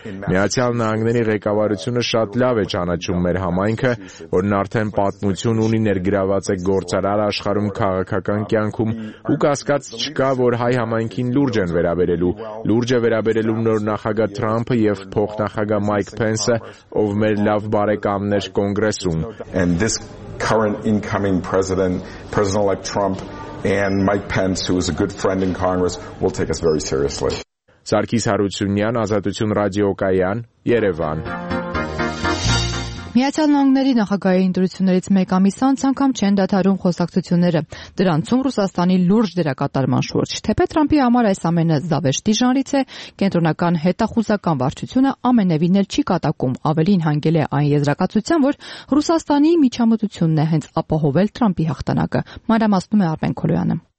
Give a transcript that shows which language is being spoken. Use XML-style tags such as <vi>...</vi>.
<hy>Միացյալ Նահանգների ղեկավարությունը շատ լավ է ճանաչում մեր համայնքը, որն արդեն պատմություն ունի, ներգրաված է գործարար աշխարհում, քաղաքական կյանքում, ու կասկած չկա, որ հայ համայնքին լուրջ են վերաբերելու։ Լուրջ է վերաբերելու նոր նախագահ Թրամփը եւ փոխնախագահ Մայք Փենսը, ով մեր լավ բարեկամներ կոնգրեսում։</hy> <en>And this current incoming president, President-elect Trump and Mike Pence, who is a good friend in Congress, will take us very seriously.</en> <hy>Սարգիս Հարությունյան, Ազատություն ռադիոկայան, Երևան։ Միացյալ Նահանգների նախագահի ընտրություններից մեկ ամիս անց անգամ չեն դադարում խոսակցությունները։ Դրանցում Ռուսաստանի լուրջ դերակատարման շուրջ, թեպետ Թրամփի համար այս ամենը զավեշտի ժանրից է, կենտրոնական հետախուզական վարչությունը ամենևին էլ չի կատակում, ավելին հանգել է այն եզրակացության, որ Ռուսաստանի միջամտությունն է հենց ապահովել Թրամփի հաղթանակը։ Մանրամասնում է Արմեն Քոլոյանը։</hy>